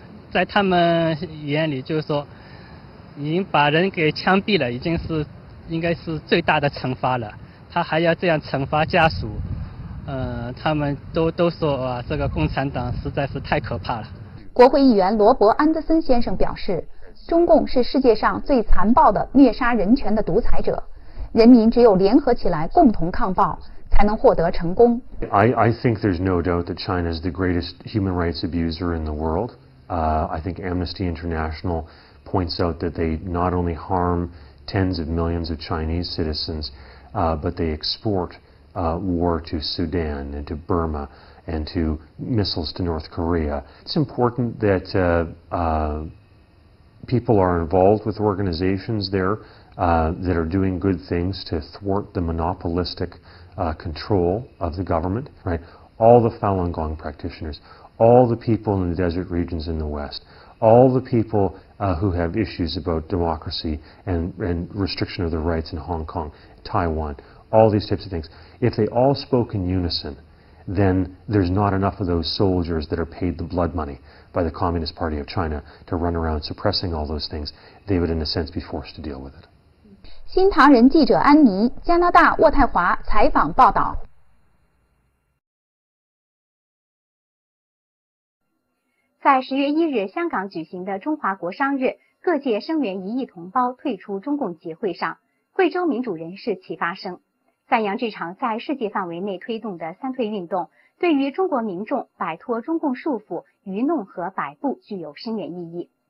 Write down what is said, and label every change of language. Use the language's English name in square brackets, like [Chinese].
[Chinese] 在他们眼里就是说已经把人给枪毙了，已经是应该是最大的惩罚了，他还要这样惩罚家属，他们都说啊，这个共产党实在是太可怕了。国会议员罗伯·安德森先生表示，中共是世界上最残暴的虐杀人权的独裁者，人民只有联合起来共同抗暴才能获得成功。 [English] I think there's no doubt that China is the greatest human rights abuser in the world. I think Amnesty International points out that they not only harm tens of millions of Chinese citizens, but they export war to Sudan and to Burma and to missiles to North Korea. It's important that people are involved with organizations there that are doing good things to thwart the monopolisticontrol of the government, right? All the Falun Gong practitioners, all the people in the desert regions in the West, all the people who have issues about democracy and restriction of their rights in Hong Kong, Taiwan, all these types of things. If they all spoke in unison, then there's not enough of those soldiers that are paid the blood money by the Communist Party of China to run around suppressing all those things. They would, in a sense, be forced to deal with it. [Chinese] 新唐人记者安妮，加拿大渥太华采访报道。在10月1日香港举行的中华国殇日，各界声援1亿同胞退出中共集会上，贵州民主人士齐发声，赞扬这场在世界范围内推动的三退运动，对于中国民众摆脱中共束缚、愚弄和摆布具有深远意义。